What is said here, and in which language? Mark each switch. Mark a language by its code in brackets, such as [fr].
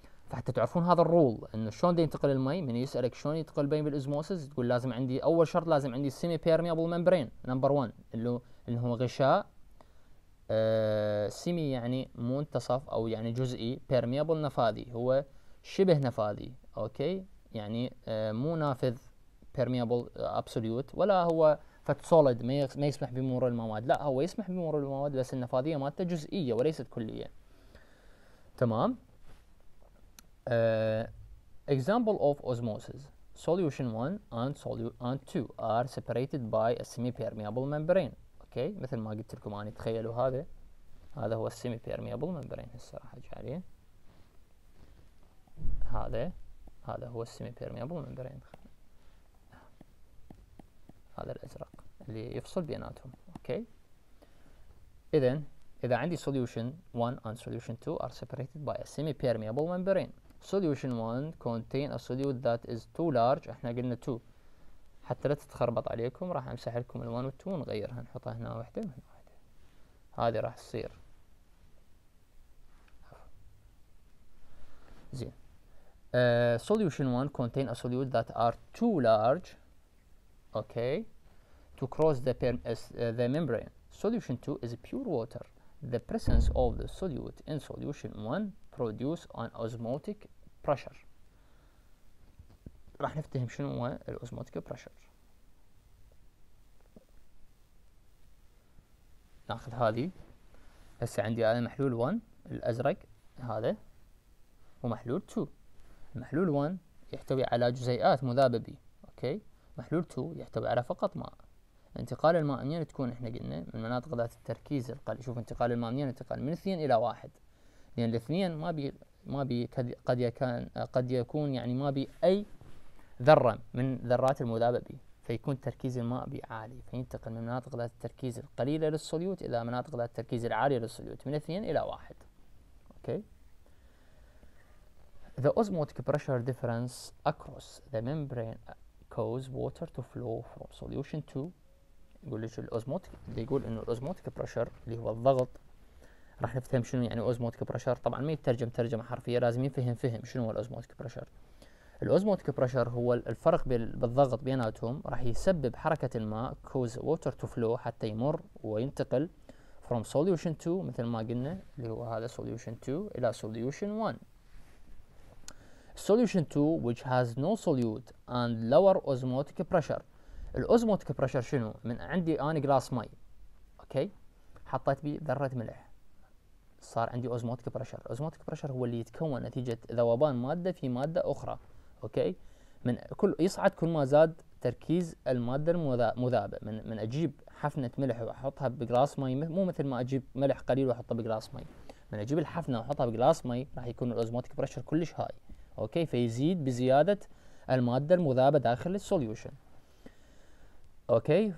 [ar] فحتى تعرفون هذا الرول انه شلون ينتقل المي، من يسالك شلون ينتقل بين بالاوزموسيس تقول لازم عندي اول شرط، لازم عندي سيمي بيرميابل ممبرين نمبر 1 اللي هو غشاء سيمي يعني منتصف او يعني جزئي، بيرميابل نفاذي هو شبه نفاذي اوكي، يعني مو نافذ بيرميابل ابسوليوت، ولا هو فت سوليد ما يسمح بمرور المواد، لا هو يسمح بمرور المواد بس النفاذيه مالته جزئيه وليست كليه تمام. [en] Example of osmosis. Solution 1 and solution 2 are separated by a semi-permeable membrane. Okay. [ar] مثل ما قلت لكم أنا تخيلوا هذا. هذا هو semi-permeable membrane. الصراحة جارين. هذا هو semi-permeable membrane. هذا الأزرق اللي يفصل بيناتهم. [en] Okay. [ar] إذا عندي [en] solution 1 and solution 2 are separated by a semi-permeable membrane. Solution 1 contain a solute that is too large. [ar] احنا قلنا 2 حتى لا تتخربط عليكم، راح امسح لكم ال 1 وال 2 ونغيرها، نحطها هنا واحدة وهنا واحدة. هذه راح تصير زين. [en] Solution 1 contain a solute that are too large okay to cross the membrane. Solution 2 is pure water. The presence of the solute in solution 1 produce an osmotic pressure. [ar] راح نفتهم شنو هو الاوزموتيك بريشر. ناخذ هذه، هسه عندي انا محلول 1 الازرق هذا ومحلول 2. محلول 1 يحتوي على جزيئات مذابه بي اوكي، محلول 2 يحتوي على فقط ماء. انتقال الماء منين تكون احنا قلنا من مناطق ذات التركيز القليل. شوف انتقال الماء منين، انتقال من 2 الى 1، لان الاثنين ما بي قد يكون يعني ما بي اي ذره من ذرات المذابه بي، فيكون تركيز الماء بي عالي، فينتقل من مناطق ذات التركيز القليله للسوليوت الى مناطق ذات التركيز العالي للسوليوت من 2 الى 1 اوكي. [en] The osmotic pressure difference across the membrane causes water to flow from solution 2. [ar] يقول لك الاوزموتيك، يقول انه الاوزموتيك بريشر اللي هو الضغط، راح نفهم شنو يعني اوزموتيك بريشر. طبعا ما يترجم ترجمه حرفيه، لازم يفهم شنو هو الاوزموتيك بريشر. الاوزموتيك بريشر هو الفرق بالضغط بيناتهم، راح يسبب حركه الماء [en] cause water to flow [ar] حتى يمر وينتقل [en] from solution 2 [ar] مثل ما قلنا اللي هو هذا سوليوشن 2 الى سوليوشن 1. [en] Solution 2 which has no solute and lower osmotic pressure. [ar] الاوزموتيك بريشر شنو؟ من عندي انا جلاس ماي اوكي، حطيت بي ذره ملح، صار عندي اوزموتيك بريشر. اوزموتيك بريشر هو اللي يتكون نتيجه ذوبان ماده في ماده اخرى اوكي. من كل يصعد كل ما زاد تركيز الماده المذابه، من اجيب حفنه ملح واحطها بجلاس مي، مو مثل ما اجيب ملح قليل واحطه بجلاس مي، من اجيب الحفنه واحطها بجلاس مي راح يكون الاوزموتيك بريشر كلش هاي اوكي، فيزيد بزياده الماده المذابه داخل السوليوشن اوكي.